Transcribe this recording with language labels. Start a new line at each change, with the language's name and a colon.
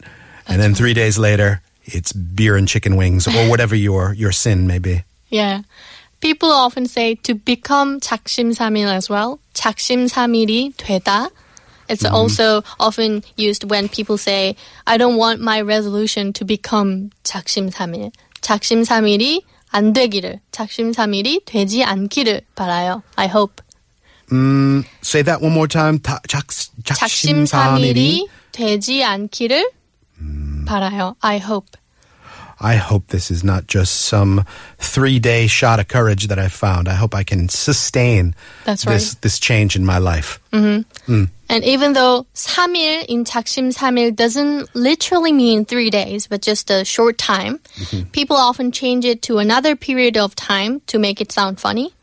English: That's and then 3 days later, it's beer and chicken wings or whatever your sin may be. Yeah. People often say to become 작심삼일 as well.
Korean: 작심삼일이 되다.
English: It's also often used when people say, I don't want my resolution to become 작심삼일.
Korean: 작심삼일이 안 되기를. 작심삼일이 되지 않기를 바라요.
English: I hope. Say that one more time.
Korean: 작심삼일이 되지 않기를 바라요.
English: I hope. I hope this is not just some 3-day shot of courage that I've found. I hope I can sustain this change in my life. And even though 3일 in 작심삼일 doesn't literally mean 3 days, but just a short time, people often change it to another period of time to make it sound funny.